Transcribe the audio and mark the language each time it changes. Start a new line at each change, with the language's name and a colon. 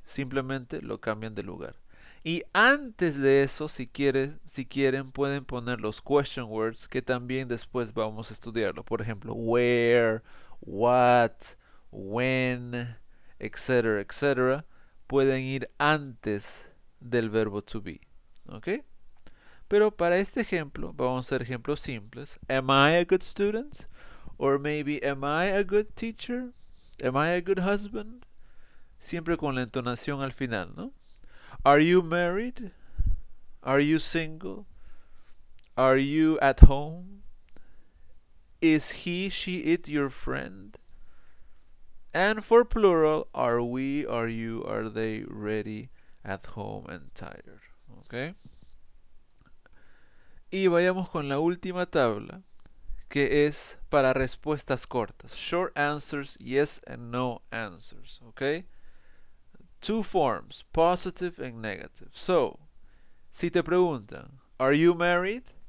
Spanish: Simplemente lo cambian de lugar. Y antes de eso, si quieren, pueden poner los question words que también después vamos a estudiarlo. Por ejemplo, where, what, when, etc., etc. Pueden ir antes del verbo to be. ¿Ok? Pero para este ejemplo, vamos a hacer ejemplos simples.
English: Am I a good student? Or maybe, am I a good teacher? Am I a good husband?
Spanish: Siempre con la entonación al final, ¿no?
English: Are you married? Are you single? Are you at home? Is he, she, it your friend? And for plural, are we, are you, are they ready, at home and tired?
Spanish: ¿Ok? Y vayamos con la última tabla, que es para respuestas cortas.
English: Short answers, yes and no answers. ¿Ok? Two forms, positive and negative. So, si te preguntan, are you married?